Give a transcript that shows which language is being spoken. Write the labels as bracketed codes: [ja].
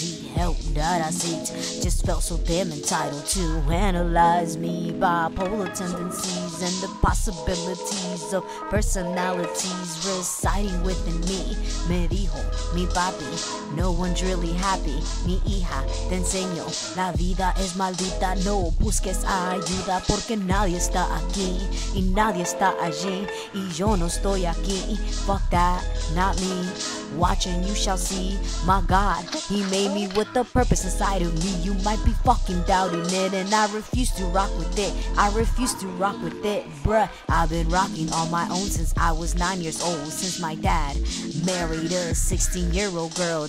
[en] The help that I seek just felt so damn entitled to analyze me. Bipolar tendencies and the possibilities of personalities residing within me. [es] Me dijo, mi papi, [en] no one's really happy. [es] Mi hija, te enseño, la vida es maldita. No busques ayuda porque nadie está aquí y nadie está allí. Y yo no estoy aquí, [en] fuck that, not me. Watch and you shall see, my God, he made me with a purpose inside of me. You might be fucking doubting it, and I refuse to rock with it. I refuse to rock with it, bruh. I've been rocking on my own since I was 9 years old. Since my dad married a 16-year-old girl.